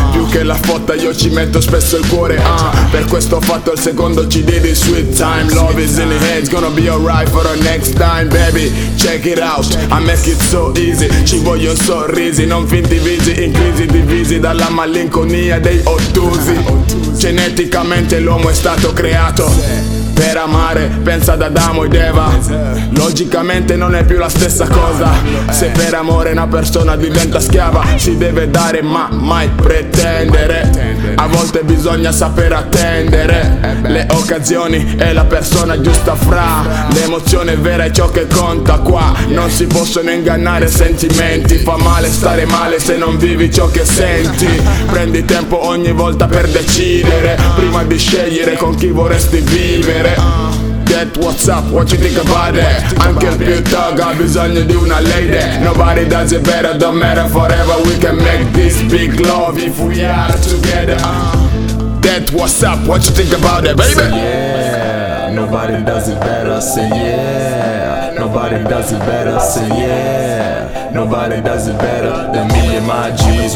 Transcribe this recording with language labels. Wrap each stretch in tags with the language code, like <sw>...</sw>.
<it>Più che la fotta io ci metto spesso il cuore. Per questo ho fatto il secondo CD di Sweet Time.</it> <en>Love is in the head, it's gonna be alright for the next time, baby. Check it out, I make it so easy.</en> <it>Ci voglio sorrisi, non finti visi. In crisi divisi dalla malinconia dei ottusi. Geneticamente l'uomo è stato creato per amare, pensa ad Adamo ed Eva. Logicamente non è più la stessa cosa. Se per amore una persona diventa schiava, si deve dare ma mai pretendere. A volte bisogna saper attendere le occasioni e la persona giusta fra. L'emozione vera è ciò che conta qua. Non si possono ingannare sentimenti. Fa male stare male se non vivi ciò che senti. Prendi tempo ogni volta per decidere, prima di scegliere con chi vorresti vivere.</it> <en>Get what's up, what you think about it?</en> <it>Anche il più thug ha bisogno di una lady.</it> <en>Nobody does it better, don't matter forever. We can make this big love if we are together. Get what's up, what you think about it, baby? Say yeah, nobody does it better. Say yeah, nobody does it better. Say yeah, nobody does it better than me and my G's.</en>